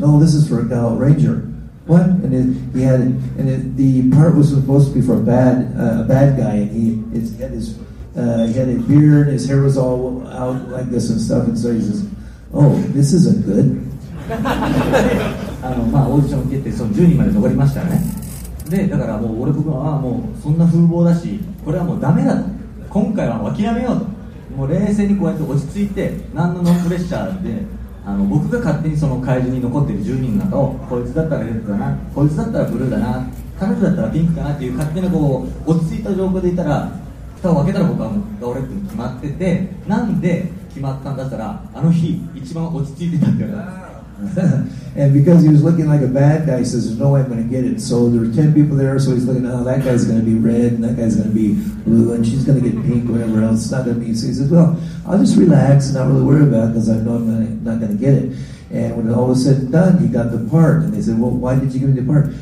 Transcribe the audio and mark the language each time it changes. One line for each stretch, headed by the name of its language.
English: No, this is for Gal Ranger. What? And it, he had, and it, the part was supposed to be for a bad guy, and he had his beard, his hair was all out like this and stuff, and so he says, oh, this isn't good.
Japanese: まあ、オーディションを受けて、その10人まで残りましたね。で、だからもう、俺、僕は、ああ、もう、そんな風貌だし、これはもうダメだと。今回は諦めようと。もう、冷静にこうやって落ち着いて、何のノンプレッシャーで、僕が勝手にその会場に残っている10人だと、こいつだったらレッドだな、こいつだったらブルーだな、彼女だったらピンクかなっていう勝手なこう落ち着いた状況でいたら、蓋を開けたら僕はもうガオレッドに決まってて、なんで決まったんだったら、あの日一番落ち着いてたんだよな。
English: And because he was looking like a bad guy, he says, there's no way I'm going to get it. So there were 10 people there, so he's looking, oh, that guy's going to be red, and that guy's going to be blue, and she's going to get pink, whatever else. It's not going to be. So he says, well, I'll just relax and not really worry about it because I know I'm not going to get it. And when it all was said and done, he got the part. And they said, well, why did you give him the part?